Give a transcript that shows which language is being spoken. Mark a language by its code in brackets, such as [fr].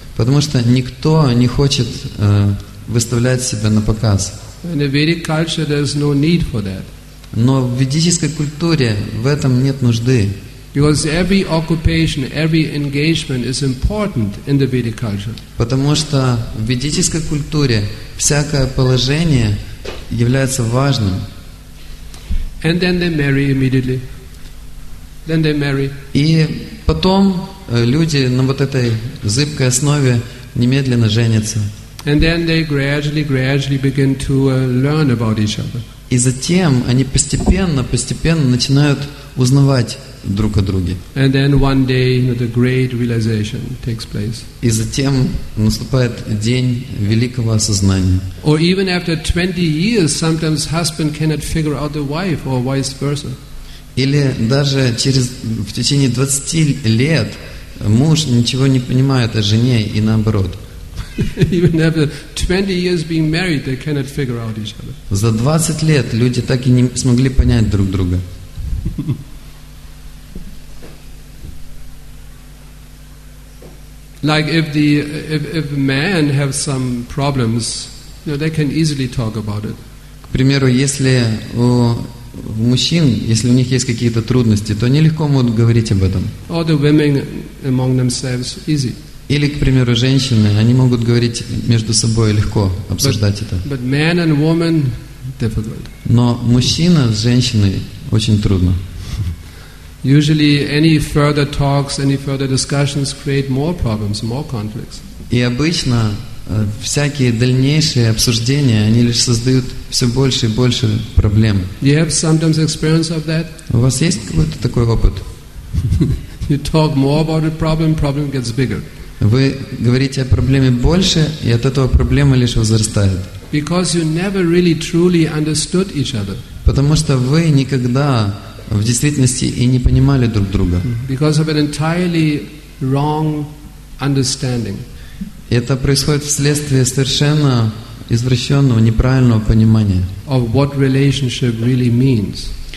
[ru] Потому что никто не хочет выставлять себя на показ. [en] In the Vedic culture, there is no need for that. [ru] Но в ведической культуре в этом нет нужды. [en] Because every occupation, every engagement is important in the Vedic culture. [ru] Потому что в ведической культуре всякое положение является важным. [en] And then they marry immediately. Then they marry. [ru] И потом люди на вот этой зыбкой основе немедленно женятся. [en] And then they gradually begin to learn about each other. [ru] И затем они постепенно начинают узнавать друг о друге. [en] And then one day, you know, the great realization takes place. [ru] И затем наступает день великого осознания. [en] Or even after 20 years, sometimes husband cannot figure out the wife or vice versa. [ru] Или даже в течение 20 лет муж ничего не понимает о жене и наоборот. [en] Even after 20 years being married, they cannot figure out each other. [ru] За 20 лет люди так и не смогли понять друг друга. [en] Like if men have some problems, you know, they can easily talk about it. [ru] К примеру, если у мужчин, если у них есть какие-то трудности, то они легко могут говорить об этом. [en] Or the women among themselves easy. [ru] Или, к примеру, женщины, они могут говорить между собой легко, обсуждать это. [en] But man and woman, difficult. [ru] Но мужчина с женщиной очень трудно. [en] Usually any further talks, any further discussions create more problems, more conflicts. [ru] И обычно всякие дальнейшие обсуждения, они лишь создают все больше и больше проблем. [en] You have sometimes experience of that? [ru] У вас есть какой-то такой опыт? [en] You talk more about a problem, problem gets bigger. [ru] Вы говорите о проблеме больше, и от этого проблема лишь возрастает. [en] Because you never really truly understood each other. [ru] Потому что вы никогда в действительности и не понимали друг друга. [en] Because of an entirely wrong understanding. [ru] Это происходит вследствие совершенно извращенного, неправильного понимания. [en] Of what relationship really means.